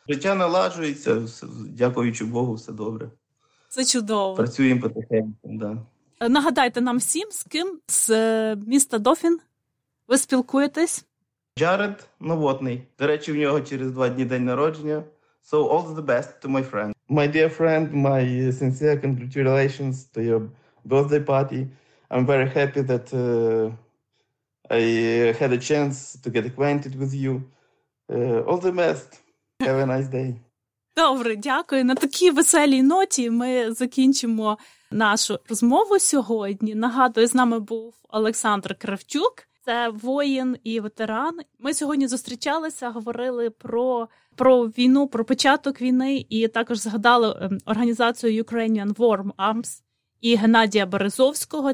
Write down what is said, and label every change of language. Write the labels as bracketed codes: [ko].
[uk] Життя налажується, дякуючи Богу, все добре. Це чудово. Працюємо потихеньку, да. Нагадайте нам всім, з ким з міста Дофін ви спілкуєтесь? Джаред Новотний. До речі, в нього через 2 дні день народження. [en] So all the best to my friend. My dear friend, my sincere congratulations to your birthday party. I'm very happy that I had a chance to get acquainted with you. All the best. Have a nice day. [uk] Добре, дякую. На такій веселій ноті ми закінчимо нашу розмову сьогодні. Нагадую, з нами був Олександр Кравчук. Це воїн і ветеран. Ми сьогодні зустрічалися, говорили про війну, про початок війни, і також згадали організацію Ukrainian Warm Arms і Геннадія Березовського.